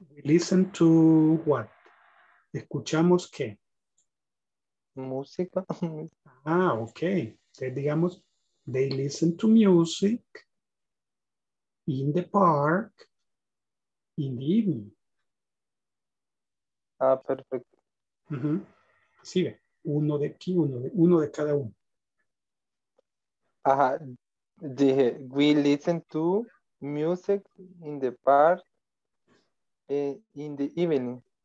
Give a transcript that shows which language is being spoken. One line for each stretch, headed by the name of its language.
English: We listen to what?
Spanish: ¿Escuchamos qué? Música. Ah, okay. Entonces, digamos,
English: they listen to music in the park in the evening.
Spanish: Ah, perfecto. Uh-huh. Sí, uno de aquí, uno de cada uno. Ajá, dije,
English: we listen to music in the park in the evening.